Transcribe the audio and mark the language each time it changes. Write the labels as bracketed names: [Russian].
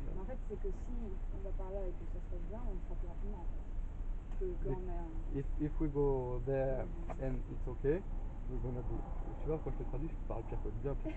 [French] En fait, c'est que si on va parler avec le chef de gare, on sera plus rapidement. [English] If we go there and it's okay, we're gonna be. [French] Tu vois, quand je te traduis, je parle bien, quoi, bien.